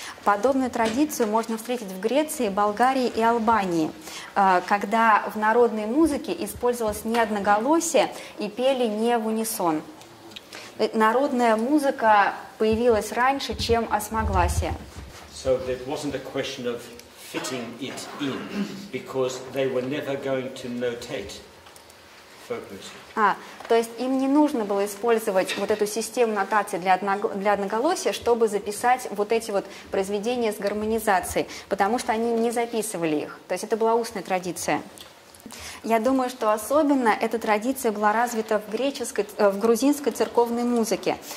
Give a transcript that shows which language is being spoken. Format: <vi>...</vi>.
<ru>Подобную традицию можно встретить в Греции, Болгарии и Албании, когда в народной музыке использовалось не одноголосие и пели не в унисон. Народная музыка появилась раньше, чем осмогласие.</ru> <en>So it wasn't a question of fitting it in, because they were never going to notate folk music.</en> <ru>То есть им не нужно было использовать вот эту систему нотации для одноголосия, чтобы записать вот эти вот произведения с гармонизацией, потому что они не записывали их. То есть это была устная традиция. Я думаю, что особенно эта традиция была развита в грузинской церковной музыке.</ru>